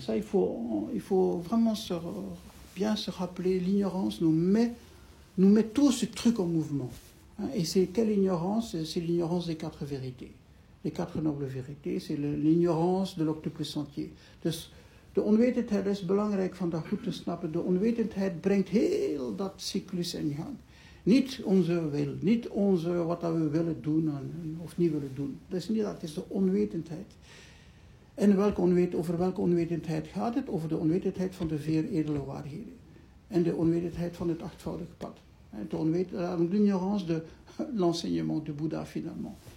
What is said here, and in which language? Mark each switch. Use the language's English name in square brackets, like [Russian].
[French] Ça, il faut vraiment se rappeler, l'ignorance nous met tout ce truc en mouvement. Et c'est quelle ignorance? C'est l'ignorance des quatre vérités. Les quatre nobles vérités, c'est l'ignorance de l'octuple sentier. [Dutch] Dus de onwetendheid is belangrijk om dat goed te snappen. De onwetendheid brengt heel dat cyclus in gang. Niet onze wil, niet onze wat we willen doen of niet willen doen. Dat is niet dat, het is de onwetendheid. En over welke onwetendheid gaat het? Over de onwetendheid van de vier edele waarheden. En de onwetendheid van het achtvoudig pad. De onwetendheid, [French] l'ignorance de l'enseignement du Bouddha, finalement.